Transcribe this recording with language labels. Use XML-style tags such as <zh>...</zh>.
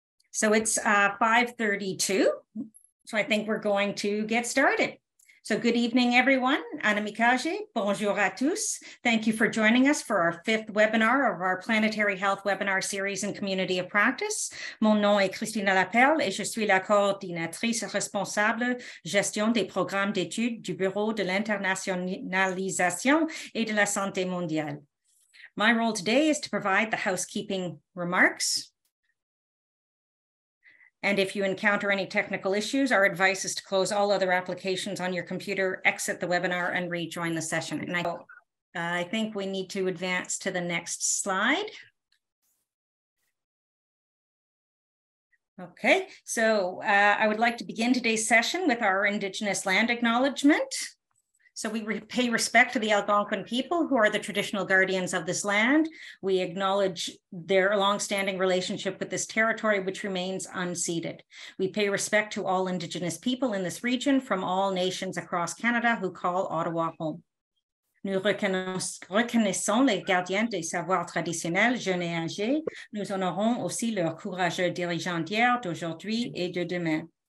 <en>So it's 5:32, so I think we're going to get started. So good evening, everyone. Anamikaje,</en> <fr>bonjour à tous.</fr> <en>Thank you for joining us for our fifth webinar of our Planetary Health webinar series in community of practice.</en> <fr>Mon nom est Christina Lapelle et je suis la coordinatrice responsable gestion des programmes d'études du Bureau de l'internationalisation et de la santé mondiale.</fr> <en>My role today is to provide the housekeeping remarks. And if you encounter any technical issues, our advice is to close all other applications on your computer, exit the webinar, and rejoin the session. And I think we need to advance to the next slide. Okay, so I would like to begin today's session with our Indigenous land acknowledgement. So we pay respect to the Algonquin people who are the traditional guardians of this land. We acknowledge their longstanding relationship with this territory, which remains unceded. We pay respect to all Indigenous people in this region from all nations across Canada who call Ottawa home.</en> <fr>Nous reconnaissons les gardiens des savoirs traditionnels jeunes et âgés. Nous honorons aussi leurs courageux dirigeants d'hier, d'aujourd'hui et de demain.</fr>